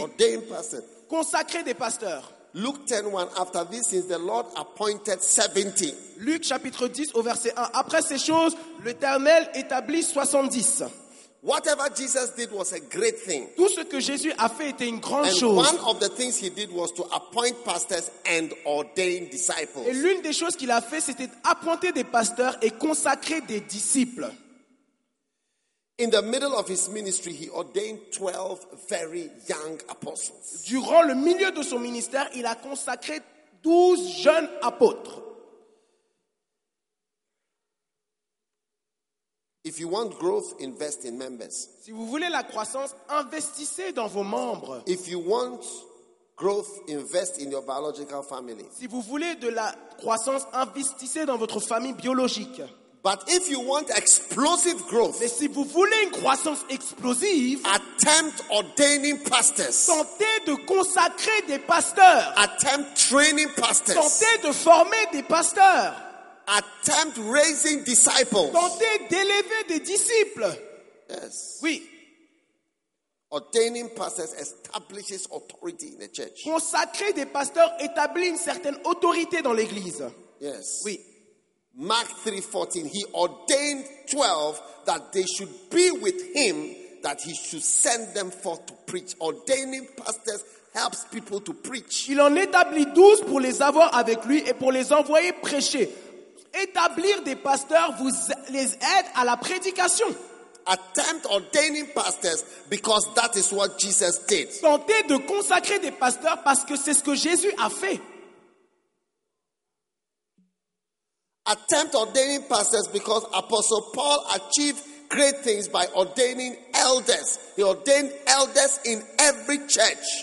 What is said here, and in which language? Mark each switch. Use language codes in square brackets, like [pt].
[en] Ordain pastors. [fr] Consacrer des pasteurs. [en] Luke 10, 1, after this is the Lord appointed 70. [fr] Luc chapitre 10 au verset 1. Après ces choses, l'Éternel établit 70. [en] Whatever Jesus did was a great thing. [fr] Tout ce que Jésus a fait était une grande [en] and [fr] chose. [en] One of the things he did was to appoint pastors and ordain disciples. [fr] Et l'une des choses qu'il a fait, c'était appointer des pasteurs et consacrer des disciples. [en] In the middle of his ministry, he ordained 12 very young apostles. [fr] Durant le milieu de son ministère, il a consacré 12 jeunes apôtres. [en] If you want growth, invest in members. [fr] Si vous voulez la croissance, investissez dans vos membres. [en] If you want growth, invest in your biological family. [fr] Si vous voulez de la croissance, investissez dans votre famille biologique. [en] But if you want explosive growth, [fr] mais si vous voulez une croissance explosive, [en] attempt ordaining pastors. [fr] Tentez de consacrer des pasteurs. [en] Attempt training pastors. [fr] Tentez de former des pasteurs. [en] Attempt raising disciples. [fr] Tentez d'élever des disciples. [en] Yes. [fr] Oui. [en] Ordaining pastors establishes authority in the church. [fr] Consacrer des pasteurs établit une certaine autorité dans l'église. [en] Yes. [fr] Oui. [en] Mark 3:14. He ordained 12 that they should be with him, that he should send them forth to preach. Ordaining pastors helps people to preach. [fr] Il en établit 12 pour les avoir avec lui et pour les envoyer prêcher. Établir des pasteurs vous les aide à la prédication. [en] Attempt ordaining pastors because that is what Jesus did. [fr] Tentez de consacrer des pasteurs parce que c'est ce que Jésus a fait. [en] Attempt ordaining pastors because Apostle Paul achieved great things by ordaining elders. He ordained elders in every church.